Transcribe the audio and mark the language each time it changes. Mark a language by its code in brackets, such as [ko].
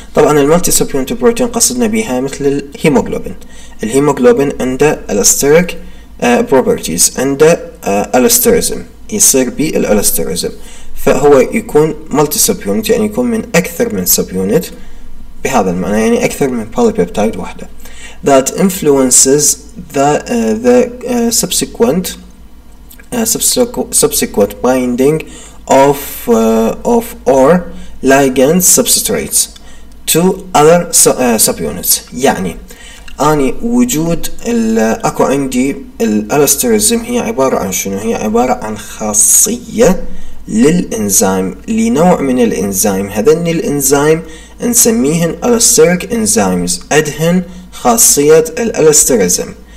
[ar] طبعا المالتي سبيونت بروتين قصدنا بها مثل الهيموغلوبين. الهيموغلوبين عنده الاستيريك بروبرتيز، عنده الاستيريزم، يصير بالالستيريزم، فهو يكون مالتي سبيونت يعني يكون من اكثر من سبيونت بهذا المعنى، يعني اكثر من بوليبيبتايد واحده. [en] That influences the subsequent binding of or ligand substrates to other subunits. [ar] يعني أنا وجود أكو عندي الالستيريزم هي عبارة عن شنو؟ هي عبارة عن خاصية للإنزيم، لنوع من الإنزيم. هذين الإنزيم نسميهن allosteric enzymes، أدهن خاصية الالستيريزم.